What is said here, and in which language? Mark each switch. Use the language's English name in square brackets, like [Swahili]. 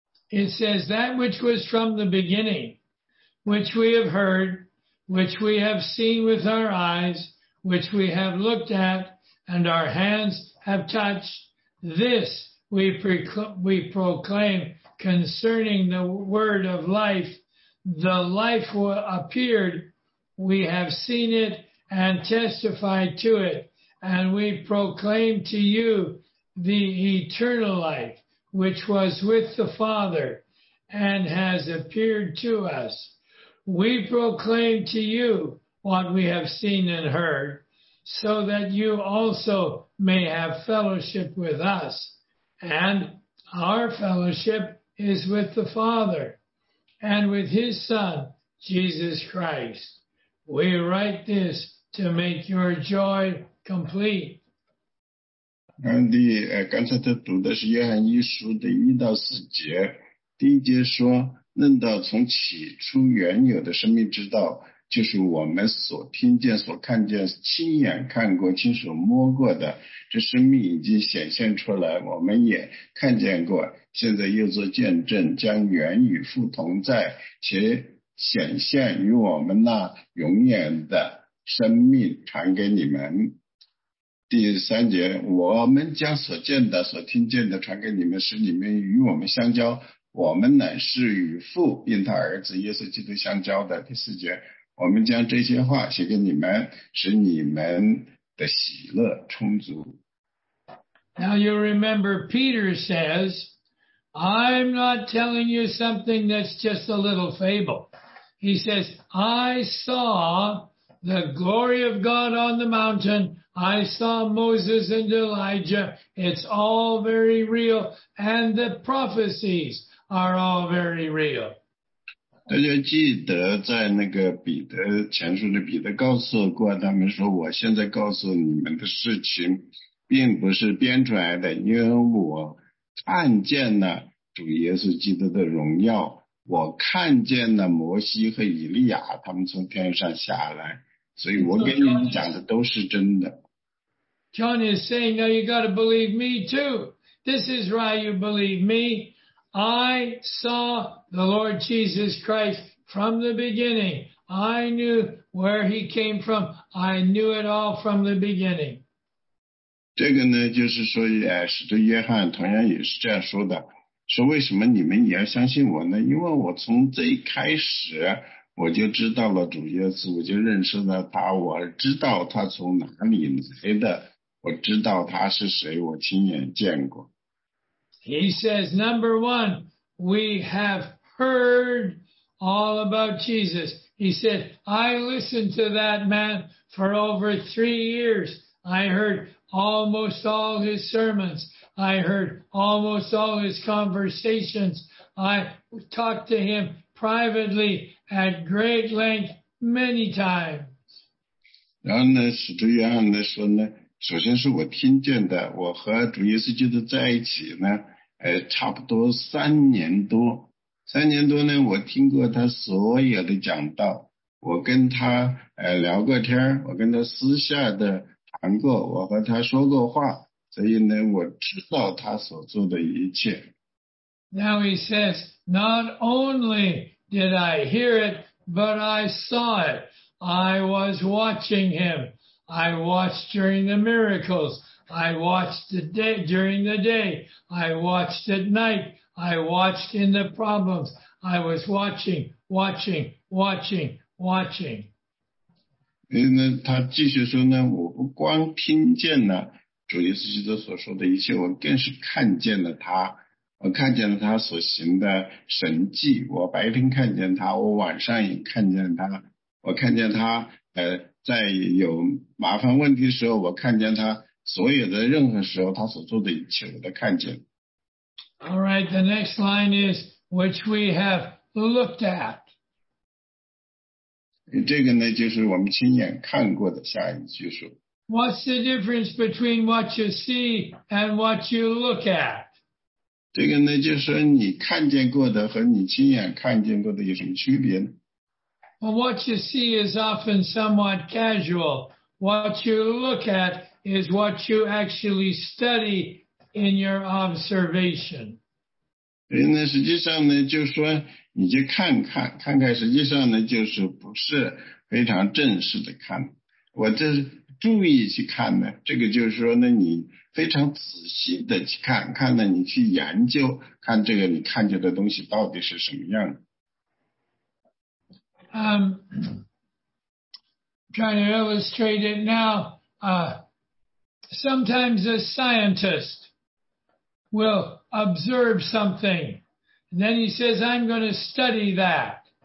[English] It says, that which was from the beginning, which we have heard, which we have seen with our eyes, which we have looked at, and our hands have touched,This we proclaim concerning the word of life, the life appeared, we have seen it and testified to it, and we proclaim to you the eternal life, which was with the Father and has appeared to us. We proclaim to you what we have seen and heard, so that you also may have fellowship with us. And our fellowship is with the Father and with his Son, Jesus Christ. We write this to make your joy complete. [Chinese] 第刚才他读的是约翰一书的一到四节，第一节说，论到从起初原有的生命之道，就是我们所听见所看见亲眼看过亲手摸过的，这生命已经显现出来，我们也看见过，现在又做见证，将原与父同在，且显现与我们那永远的生命传给你们。第三节，我们将所见的所听见的传给你们，使你们与我们相交，我们乃是与父并他儿子耶稣基督相交的。第四节，我们将这些话写给你们，使你们的喜乐充足。 [English] Now you remember Peter says, I'm not telling you something that's just a little fable. He says, I saw the glory of God on the mountain. I saw Moses and Elijah. It's all very real. And the prophecies are all very real. [Chinese] 大家记得在那个彼得前书的彼得告诉过他们说，我现在告诉你们的事情并不是编出来的，因为我看见了主耶稣基督的荣耀，我看见了摩西和以利亚他们从天上下来，所以我给你们讲的都是真的。 [English] John is saying, now you got to believe me too. This is why you believe me. I saw the Lord Jesus Christ from the beginning. I knew where he came from. I knew it all from the beginning. [Chinese] 这个呢，就是说，使徒约翰同样也是这样说的，说为什么你们也要相信我呢？因为我从最开始我就知道了主耶稣，我就认识了他，我知道他从哪里来的，我知道他是谁，我亲眼见过。 [English] He says, number one, we have heard all about Jesus. He said, I listened to that man for over 3 years. I heard almost all his sermons. I heard almost all his conversations. I talked to him privately at great length many times. [Chinese] 然后呢，使徒约翰呢说呢，首先是我听见的，我和主耶稣基督在一起呢差不多三年多呢，我听过他所有的讲道，我跟他聊过天，我跟他私下的谈过，我和他说过话，所以呢我知道他所做的一切。 [English] Now he says, not only did I hear it, but I saw it. I was watching him. I watched during the miracles. I watched the day, during the day. I watched at night. I watched in the problems. I was watching, watching, watching, watching. [Chinese] 那他继续说呢，我不光听见了主耶稣基督所说的一切，我更是看见了他。我看见了他所行的神迹。我白天看见他，我晚上也看见他。我看见他在有麻烦问题的时候，我看见他。所有的任何时候他所做的一切我都看见。 [English] All right, the next line is, which we have looked at. [Chinese] 这个呢就是我们亲眼看过的下一句说。 [English] What's the difference between what you see and what you look at? [Chinese] 这个呢就是你看见过的和你亲眼看见过的有什么区别呢？ [English] Well, what you see is often somewhat casual. What you look atis what you actually study in your observation. [Chinese] 那实际上呢就是说你就看看看看，实际上呢就是不是非常正式的看。我这注意去看呢？这个就是说呢，你非常仔细的去看看呢，你去研究看这个你看见的东西到底是什么样。 [English] Trying to illustrate it now, sometimes a scientist will observe something, and then he says, I'm going to study that.